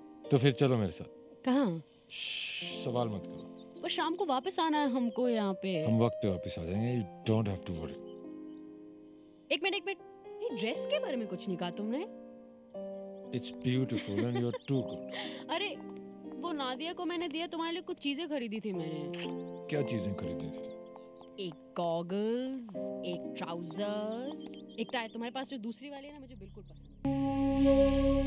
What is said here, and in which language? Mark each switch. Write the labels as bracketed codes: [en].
[hi] तो फिर चलो मेरे साथ. कहाँ? सवाल मत करो. पर शाम को वापस आना है हमको यहाँ पे. हम वक्त पे वापस आ जाएंगे. [en] You don't have to worry. [hi] एक मिनट, एक मिनट. ये ड्रेस के बारे में कुछ नहीं कहा तुमने. [en] It's beautiful and you're too good. [hi] अरे वो नादिया को मैंने दिया, तुम्हारे लिए कुछ चीजें खरीदी थी मैंने. क्या चीजें खरीदी थी? एक गॉगल्स, एक ट्राउजर्स, एक टाई. तुम्हारे पास जो दूसरी वाली है ना, मुझे बिल्कुल पसंद.